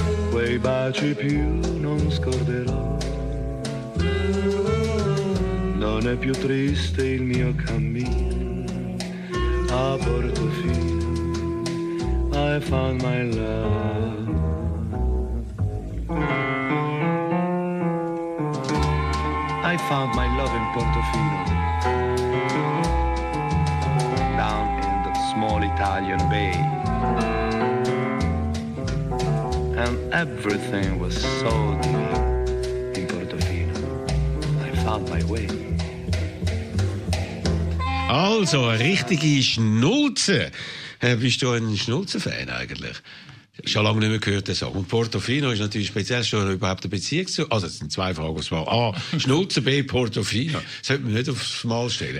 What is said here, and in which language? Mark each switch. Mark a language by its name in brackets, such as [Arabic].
[Italian] Quei baci più non scorderò. Non è più triste il mio cammino, a Portofino, [English] I found my love. I found my love in Portofino, down in the small Italian bay. And everything was so dear in Portofino, I found my way. [German] Also, eine richtige Schnulze. Bist du ein Schnulzen-Fan eigentlich? Schon lange nicht mehr gehört, der Song. Und Portofino ist natürlich speziell schon überhaupt eine Beziehung zu... Also, es sind zwei Fragen. Das war A, Schnulze, B, Portofino. Das sollte man nicht aufs Mal stellen.